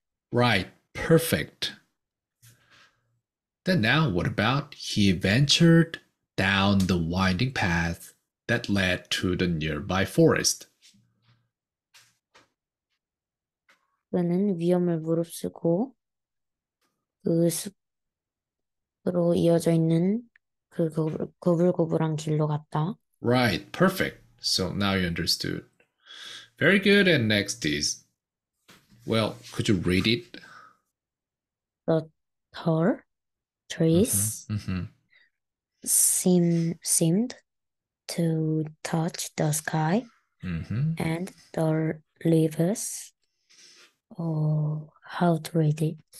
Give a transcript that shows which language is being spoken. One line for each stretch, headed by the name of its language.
English: Right, perfect. Then now, what about he ventured down the winding path that led to the nearby forest?
Korean: 그는 위험을 무릅쓰고 그 숲으로 이어져 있는 그 구불구불한 길로 갔다.
English: Right, perfect. So now you understood. Very good. And next is, well, could you read it? The tall trees seemed to touch the sky, and the leaves, oh, how to read it?